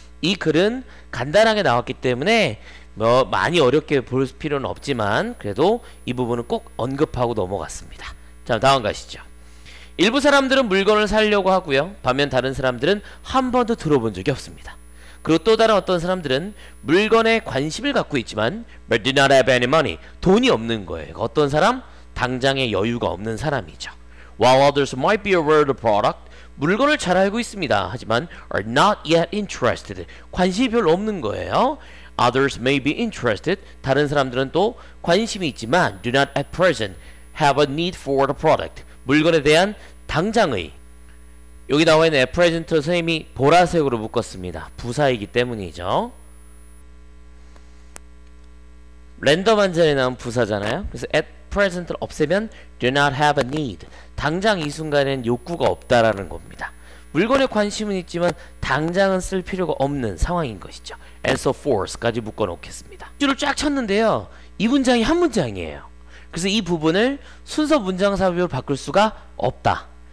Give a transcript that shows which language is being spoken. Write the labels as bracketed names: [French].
[Korean] 이 글은 간단하게 나왔기 때문에 뭐 많이 어렵게 볼 필요는 없지만 그래도 이 부분은 꼭 언급하고 넘어갔습니다. 자, 다음 가시죠. 일부 사람들은 물건을 사려고 하고요. 반면 다른 사람들은 한 번도 들어본 적이 없습니다. 그리고 또 다른 어떤 사람들은 물건에 관심을 갖고 있지만 [English] but do not have any money. [Korean] 돈이 없는 거예요. 어떤 사람? 당장의 여유가 없는 사람이죠. [English] While others might be aware of the product, [Korean] 물건을 잘 알고 있습니다. 하지만 [English] are not yet interested. [Korean] 관심이 별로 없는 거예요. [English] Others may be interested. [Korean] 다른 사람들은 또 관심이 있지만 [English] do not at present have a need for the product. [Korean] 물건에 대한 당장의 여기 나와 있는 at present 선생님이 보라색으로 묶었습니다. 부사이기 때문이죠. 랜덤한 자리에 나온 부사잖아요. 그래서 [English] at present를 [Korean] 없애면 [English] do not have a need. [Korean] 당장 이 순간엔 욕구가 없다라는 겁니다. 물건에 관심은 있지만 당장은 쓸 필요가 없는 상황인 것이죠. [English] and so forth [Korean] 까지 묶어 놓겠습니다. 줄을 쫙 쳤는데요. 이 문장이 한 문장이에요. 그래서 이 부분을 순서 문장 사비로 바꿀 수가 없다.